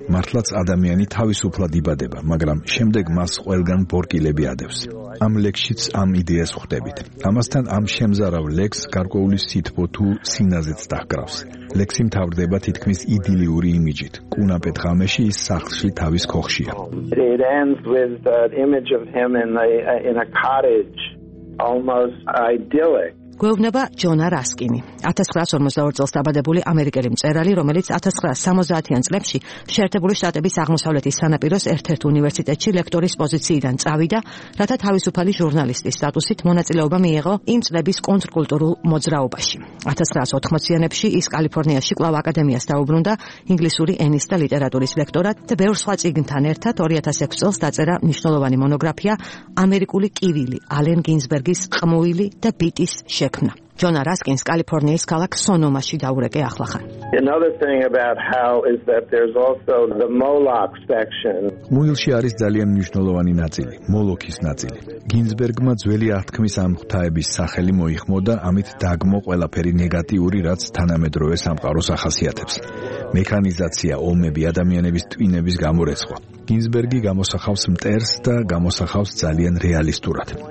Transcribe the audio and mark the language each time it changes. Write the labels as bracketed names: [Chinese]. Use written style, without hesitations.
[Georgian] მართლაც ადამიანი თავისუფლად იბადება, მაგრამ შემდეგ მას ყველგან ბორკილები ადევს. ამ ლექსშიც ამ იდეას ხვდებით. ამასთან ამ შემზარავ ლექს გარკვეული სითბო თუ სინაზეც დაჰკრავს. ლექსი მთავრდება თითქმის იდილიური იმიჯით. კუნაპეტ ღამეში ის სახლში თავის ქოხშია. [English] It ends with the image of him in a cottage, almost idyllic. [Georgian] გვევნება ჯონა რასკინი, 1952 წელს დაბადებული ამერიკელი მწერალი, რომელიც 1970-იან წლებში შეერთებული შტატების აღმოსავლეთის სანაპიროს ერთ-ერთ უნივერსიტეტში ლექტორის პოზიციიდან წავიდა, რათა თავისუფალი ჟურნალისტის სტატუსით მონაწილეობა მიეღო იმ წლების კონტრკულტურულ მოძრაობაში. 1980-იანებში ის კალიფორნიაში კვლავ აკადემიას დაუბრუნდა ინგლისური ენის და ლიტერატურის ლექტორად და ბევრ სხვა წიგნთან ერთად 2006 წელს დაწერა მნიშვნელოვანი მონოგრაფია ამერიკული კივილი, ალენ გინზბერგის ყმუილი და ბიტის შექმნა. ჯონა რასკინს კალიფორნიის ქალაქ სონომაში დაურეკე ახლახან. [English] Another thing about how is that there's also the Moloch section. [Georgian] მუილში არის ძალიან მნიშვნელოვანი ნაწილი, მოლოქის ნაწილი. გინზბერგმა ძველი ათქმის ამ ღვთაების სახელი მოიხმო და ამით დაგმო ყველაფერი ნეგატიური, რაც თანამედროვე სამყაროს ახასიათებს. მექანიზაცია, ომები, ადამიანების ტვინების გამორეცხვა. გინზბერგი გამოსახავს მტერს და გამოსახავს ძალიან რეალისტურად.